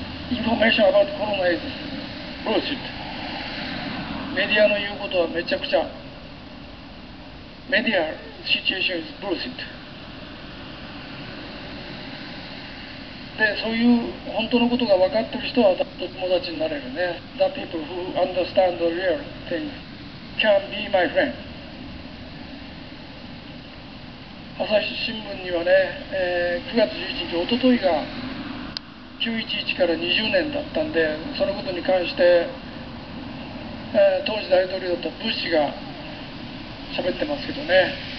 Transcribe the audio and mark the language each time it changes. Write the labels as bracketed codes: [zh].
[en] Information about corona is bullshit. [ja] メディアの言うことはめちゃくちゃ。 [en] Media situation is bullshit. [ja] で、そういう本当のことが分かってる人は友達になれるね。 [en] The people who understand the real thing can be my friend. [ja] 朝日新聞にはね、9月11日、おとといが911から20年だったんで、そのことに関して、当時大統領だったブッシュが喋ってますけどね。